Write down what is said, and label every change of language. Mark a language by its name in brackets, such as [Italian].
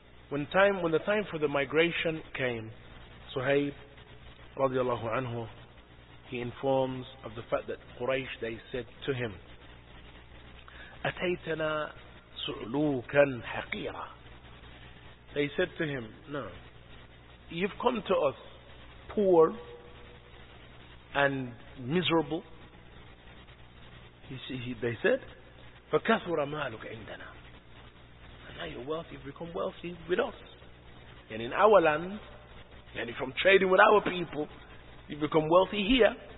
[English] When the time for the migration came, Suhaib radiallahu anhu, he informs of the fact that Quraysh, they said to him, Ataytana su'lukan haqira. They said to him, no, you've come to us poor and miserable. [Arabic] They said, فَكَثُرَ مَالُكَ عِنْدَنَا. [English] And now you're wealthy, you've become wealthy with us. And in our land, and from trading with our people, you've become wealthy here.